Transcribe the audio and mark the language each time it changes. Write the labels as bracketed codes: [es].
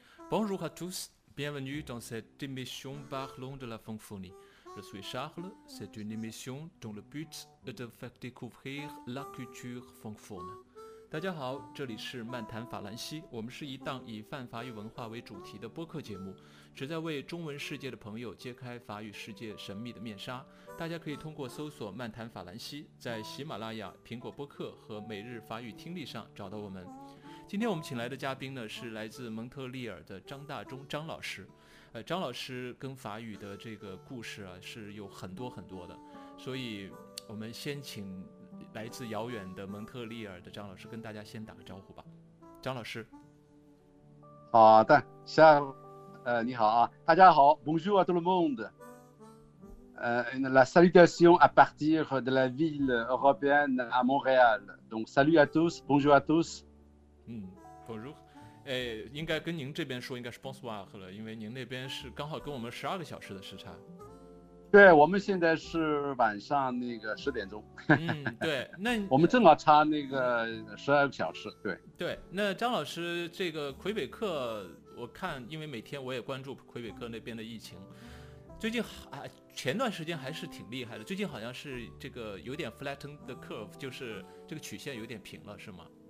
[fr] Bonjour à tous, bienvenue dans cette émission Parlons de la francophonie. Je suis Charles, c'est une émission dont le but est de faire découvrir la culture francophone. [zh] 大家好，这里是漫谈法兰西，我们是一档以泛法语文化为主题的播客节目，旨在为中文世界的朋友揭开法语世界神秘的面纱。大家可以通过搜索漫谈法兰西，在喜马拉雅、苹果播客和每日法语听力上找到我们。今天我们请来的嘉宾呢，是来自蒙特利尔的张大中张老师。张老师跟法语的这个故事啊，是有很多很多的，所以我们先请来自遥远的蒙特利尔的张老师跟大家先打个招呼吧。张老师。好的，像你好啊，大家好 , [fr] Bonjour à tout le monde. La salutation à partir de la ville européenne à Montréal. Donc, salut à tous, bonjour à tous. Bonjour. [zh] 应该跟您这边说应该是 bonsoir 了，因为您那边是刚好跟我们十二个小时的时差。对，我们现在是晚上那个十点钟。对，那我们正好差那个十二个小时。对对，那张老师，这个魁北克，我看，因为每天我也关注魁北克那边的疫情，最近前段时间还是挺厉害的，最近好像是这个有点 [en] flatten the curve， [zh] 就是这个曲线有点平了，是吗？